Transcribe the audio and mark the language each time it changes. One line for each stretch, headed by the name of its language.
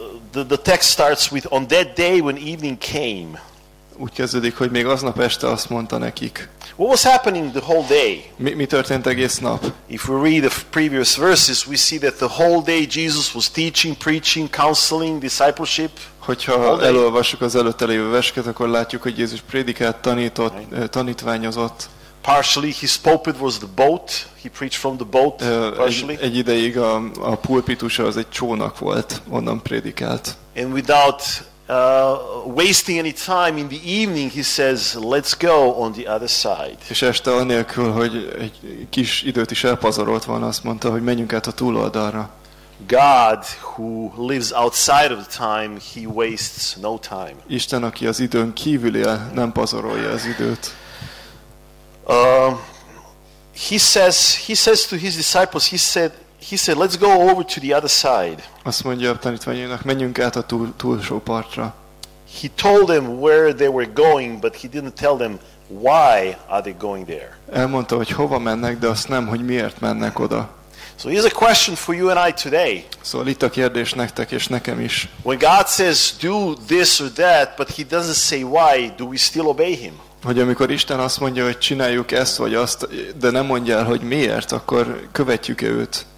English: the text starts with, on that day when evening came.
Hungarian: Úgy kezdődik, hogy még aznap este azt mondta nekik.
English: What was happening the whole day?
Hungarian: Mi történt egész nap?
English: If we read the previous verses, we see that the whole day Jesus was teaching, preaching, counseling, discipleship.
Hungarian: Hogyha elolvassuk az előtte lévő verseket, akkor látjuk, hogy Jézus prédikált, tanított, tanítványozott.
English: Partially his pulpit was the boat. He preached from the boat partially.
Hungarian: Egy ideig a pulpitusa az egy csónak volt, onnan prédikált.
English: And without wasting any time in the evening, he says, let's go on the other side.
Hungarian: És este anélkül, hogy egy kis időt is elpazarolt volna, azt mondta, hogy menjünk át a túloldalra.
English: God, who lives outside of time, he wastes no time.
Hungarian: Isten, aki az időn kívül él, nem pazarolja az időt.
English: He says to his disciples, he said, let's go over to the other side.
Hungarian: Azt mondja a tanítványainak, menjünk át a túlsó partra.
English: He told them where they were going, but he didn't tell them why are they going there.
Hungarian: Elmondta, hogy hova mennek, de azt nem, hogy miért mennek oda.
English: So here's a question for you and I today.
Hungarian: Szóval itt a kérdés nektek és nekem is.
English: When God says do this or that, but he doesn't say why, do we still obey him?
Hungarian: Hogy amikor Isten azt mondja, hogy csináljuk ezt vagy azt, de nem mondja el, hogy miért, akkor követjük-e őt?